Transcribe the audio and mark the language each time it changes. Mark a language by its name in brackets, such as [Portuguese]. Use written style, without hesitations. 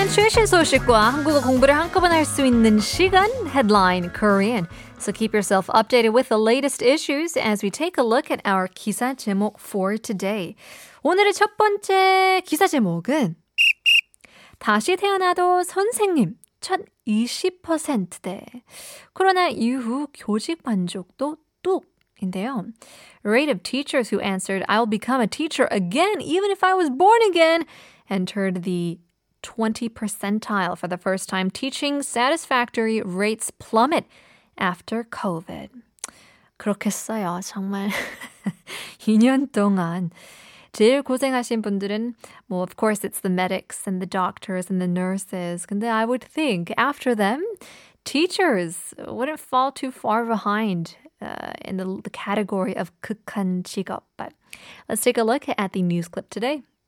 [Korean] 최신 소식과 한국어 공부를 한꺼번에 할 수 있는 시간, Headline Korean. [English] So keep yourself updated with the latest issues as we take a look at our 기사 제목 for today. [Korean] 오늘의 첫 번째 기사 제목은 다시 태어나도 선생님 첫 20%대. 코로나 이후 교직 만족도 뚝. 인데요. [English] Rate of teachers who answered, I'll become a teacher again even if I was born again, entered the 20 percentile for the first time. Teaching satisfactory rates plummet after COVID. [Korean] 그렇겠어요. 정말 2년 동안 제일 고생하신 분들은, [English] well, of course, it's the medics and the doctors and the nurses. 근데 I would think after them, teachers wouldn't fall too far behind. In the category of [Korean] 극한 직업. [English] But let's take a look at the news clip today.